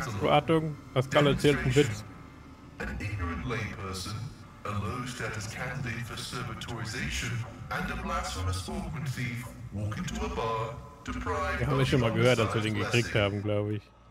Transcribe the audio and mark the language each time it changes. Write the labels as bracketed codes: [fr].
[de] Achtung, Pascal erzählt einen Witz. [en] An ignorant layperson, a low-status candidate for servitorization, and a blasphemous organ thief walk into a bar, deprived. [de] Wir haben schon mal gehört, dass wir den gekriegt haben, glaube ich.